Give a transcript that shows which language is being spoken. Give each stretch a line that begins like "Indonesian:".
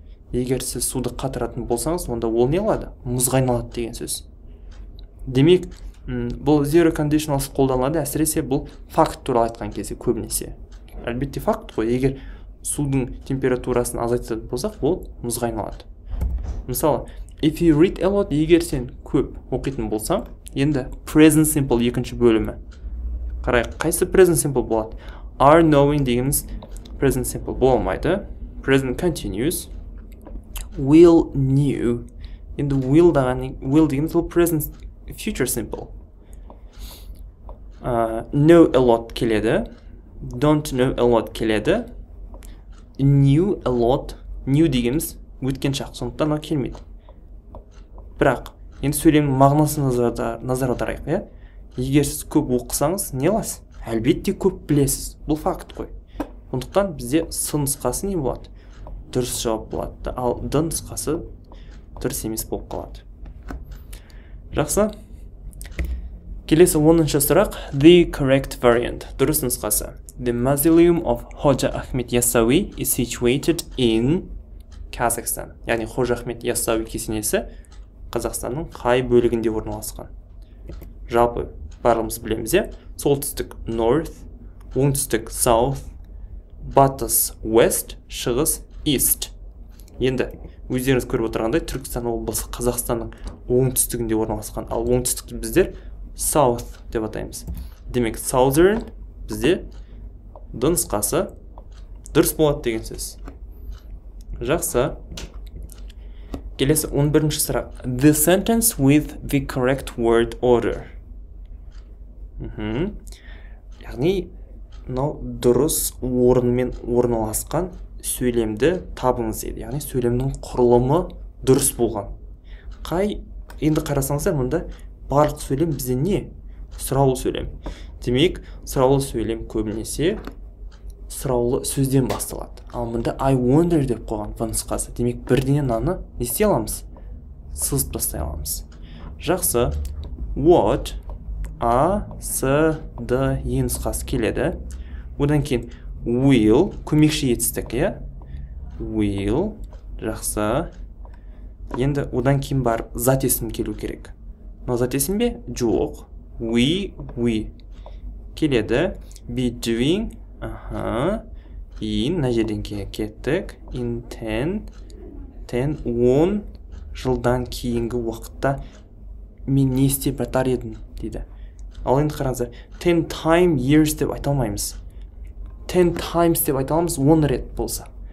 Kazakh: Егер сіз суды қатыратын болсаңыз, онда ол не алады? Мұзға айналады деген сөз. Демек, бұл zero conditionals қолданылады, әсіресе бұл факт туралы айтқан кезде көбінесе. Әлбетте факт қой, егер судың температурасын азайтатын болсақ, ол мұзға айналады. Мысалы,
English: if you read a lot,
Kazakh: егер сен көп оқитын болсаң, енді present simple екінші бөлімі. Қарай, қайсы present simple болады?
English: Are knowing
Kazakh: дегеніміз
English: present simple
Kazakh: болмайды.
English: Present continuous. Will knew. Енді will деген, will дегеніміз ол present future simple. Know a lot
Kazakh: келеді.
English: Don't know a lot келеді. Knew a lot.
Kazakh: Knew дегеніміз өткен шақ. Сондықтан ол келмейді. Бірақ, енді сөйлемнің мағынасын назар аударайық. Егер сіз көп оқысаңыз, не аласыз? Әлбетте көп білесіз. Бұл факт қой. Сондықтан бізде с нұсқасы не болады? Дұрыс жауап болады. Ал д нұсқасы дұрыс емес болып қалады. Жақсы. Келесі 10-ші сұрақ.
English: The correct variant.
Kazakh: Дұрыс нұсқасы.
English: The mausoleum of Hoja Ahmed Yassawi is situated in Kazakhstan.
Kazakh: Яғни Hoja Ahmed Yassawi кесенесі Қазақстанның қай бөлігінде орналасқан? Жалпы барлығымыз білеміз, солтүстік north, оңтүстік south, батыс west, шығыс east. Енді өздеріңіз көріп отырғандай, Түркістан облысы Қазақстанның оңтүстігінде орналасқан, ал оңтүстікті біздер south деп атаймыз. Демек southern бізде дұрысқасы дұрыс болады деген сөз. Жақсы. Келесі 11-ші сұрақ.
English: The sentence with the correct word order.
Kazakh: Яғни, дұрыс орынмен орналасқан сөйлемді табыңыз еді. Яғни, сөйлемнің құрылымы дұрыс болған. Қай, енді қарасаңыздар, мұнда барлық сөйлем бізде не? Сұраулы сөйлем. Демек, сұраулы сөйлем көбінесе сұраулы сөзден басталады. Ал мұнда
English: I wonder
Kazakh: деп қойған фонсқасы. Демек, бірден наны не істей аламыз? Сызып бастай аламыз. Жақсы. What? A, S, D, E нұсқасы келеді. Одан кейін will, көмекші етістік, е? Will, жақсы. Енді одан кейін бар зат есім келу керек. Но зат есім бе? Жоқ. We. Келеді.
English: Be doing, аха.
Kazakh: In, на жерден кеттік. In 10, 10 жылдан кейінгі уақытта мен не істеп жатар едім, дейді. Ал енді қараңыздар, 10 time years деп айта алмаймыз. 10 times деп айта аламыз 10 рет болса.